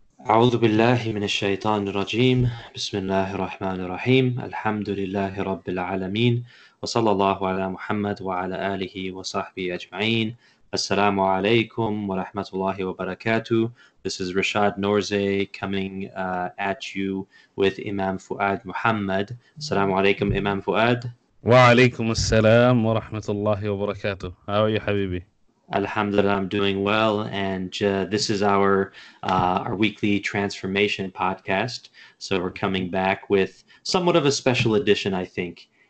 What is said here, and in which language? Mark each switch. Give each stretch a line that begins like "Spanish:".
Arabic: أعوذ بالله من الشيطان الرجيم، بسم الله الرحمن الرحيم، الحمد لله رب العالمين، وصلى الله على محمد وعلى آله وصحبه أجمعين. السلام عليكم ورحمة الله وبركاته.
English: This is Rashad Norze coming at you with Imam Fuad Muhammad.
Arabic: السلام عليكم Imam Fuad. وعليكم السلام ورحمة الله وبركاته.
English: How are you, حبيبي؟ Alhamdulillah, I'm doing well, and this is our weekly transformation podcast. So we're coming back with somewhat of a special edition, I think.